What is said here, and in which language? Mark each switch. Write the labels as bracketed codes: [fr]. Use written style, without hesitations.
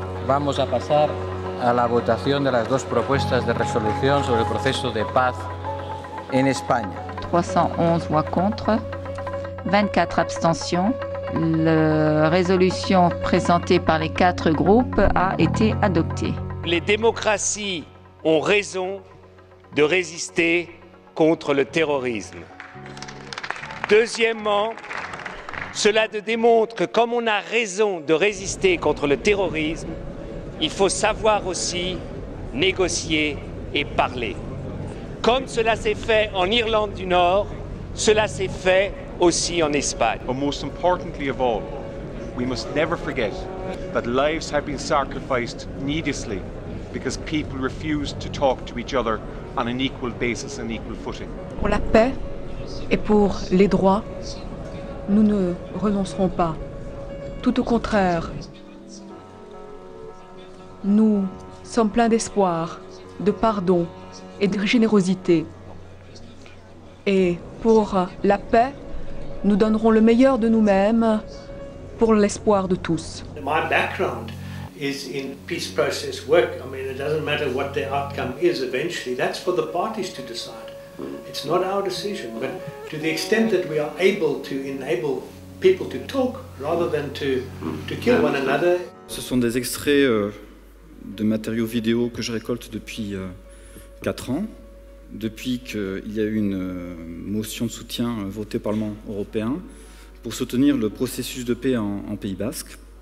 [es] Vamos a pasar a la votación de las dos propuestas de resolución sobre el proceso de paz en España. [fr] 311 voix contre, 24 abstentions. La résolution présentée par les quatre groupes a été adoptée. Les démocraties ont raison de résister contre le terrorisme. Deuxièmement, cela démontre que comme on a raison de résister contre le terrorisme, il faut savoir aussi négocier et parler. Comme cela s'est fait en Irlande du Nord, cela s'est fait aussi en Espagne. [en] But most importantly of all, we must never forget that lives have been sacrificed needlessly because people refused to talk to each other on an equal basis and equal footing. [fr] Pour la paix et pour les droits, nous ne renoncerons pas. Tout au contraire, nous sommes pleins d'espoir, de pardon et de générosité. Et pour la paix, nous donnerons le meilleur de nous-mêmes pour l'espoir de tous. [en] My background is in peace process work. I mean, it doesn't matter what the outcome is eventually. That's for the parties to decide. It's not our decision, but to the extent that we are able to enable people to talk rather than to kill one another. [fr] Ce sont des extraits de matériaux vidéo que je récolte depuis 4 ans, depuis qu'il y a eu une motion de soutien votée au Parlement européen pour soutenir le processus de paix en Pays Basque.